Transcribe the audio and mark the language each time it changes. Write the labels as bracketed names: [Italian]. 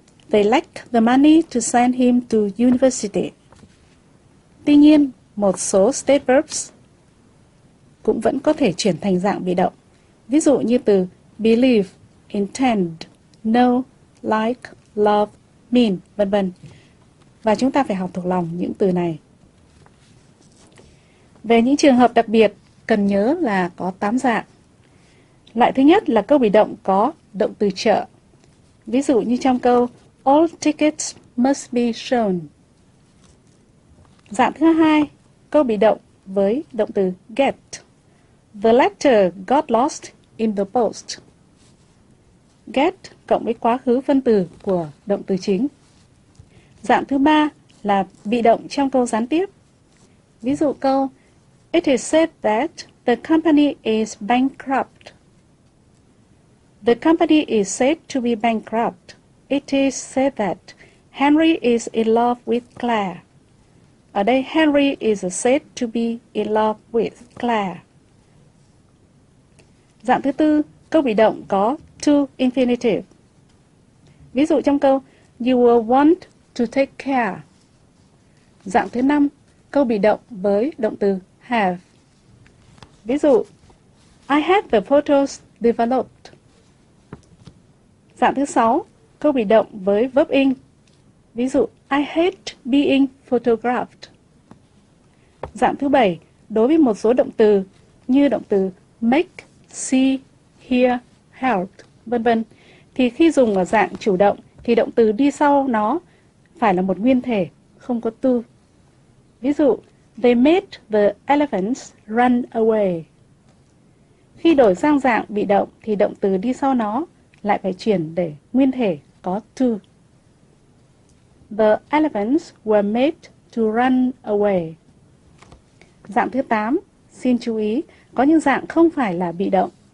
[English] They lacked the money to send him to university. [Vietnamese] Tuy nhiên, một số state verbs cũng vẫn có thể chuyển thành dạng bị động. Ví dụ như từ believe, intend, know, like, love, mean, v.v. Và chúng ta phải học thuộc lòng những từ này. Về những trường hợp đặc biệt, cần nhớ là có 8 dạng. Loại thứ nhất là câu bị động có động từ trợ. Ví dụ như trong câu [English] all tickets must be shown. [Vietnamese] Dạng thứ hai, câu bị động với động từ get. [English] The letter got lost in the post. [Vietnamese] Get cộng với quá khứ phân từ của động từ chính. Dạng thứ ba là bị động trong câu gián tiếp. Ví dụ câu [English] it is said that the company is bankrupt. The company is said to be bankrupt. It is said that Henry is in love with Claire. [Vietnamese] Ở đây [English] Henry is said to be in love with Claire. [Vietnamese] Dạng thứ tư, câu bị động có to infinitive. Ví dụ trong câu [English] you will want to take care. [Vietnamese] Dạng thứ năm, câu bị động với động từ have. Ví dụ, [English] I have the photos developed. [Vietnamese] Dạng thứ sáu, câu bị động với verb in. Ví dụ, [English] I hate being photographed. [Vietnamese] Dạng thứ bảy, đối với một số động từ như động từ make, see, hear, help, v.v. thì khi dùng ở dạng chủ động thì động từ đi sau nó phải là một nguyên thể, không có to. Ví dụ, [English] they made the elephants run away. [Vietnamese] Khi đổi sang dạng bị động thì động từ đi sau nó lại phải chuyển để nguyên thể có to. [English] The elephants were made to run away. [Vietnamese] Dạng thứ 8, xin chú ý, có những dạng không phải là bị động.